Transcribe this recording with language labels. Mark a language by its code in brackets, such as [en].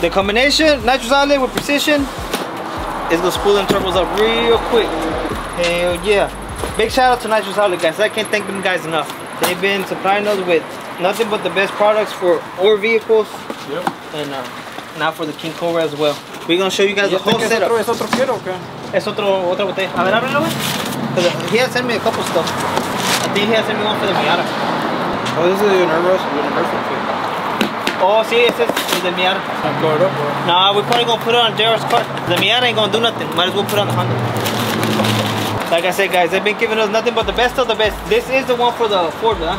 [en] The combination, nitrous outlet with precision, is gonna spool them turbos up real quick. Hell yeah. Big shout out to nitrous outlet, guys. I can't thank them guys enough. They've been supplying us with nothing but the best products for our vehicles. Yep. And now for the King Cobra as well. We're gonna show you guys the whole setup. [es] Es otro kit, okay? Es otra botella. A ver, ábrelo, güey. [en] Because he has sent me a couple stuff. I think he has sent me one for the Miata. Oh, this is a universal kit. Oh, see, sí, it's the Miata. Going up, bro. Nah, we're probably going to put it on Jared's car. The Miata ain't going to do nothing. Might as well put it on the Honda. Like I said, guys, they've been giving us nothing but the best of the best. This is the one for the Ford, huh?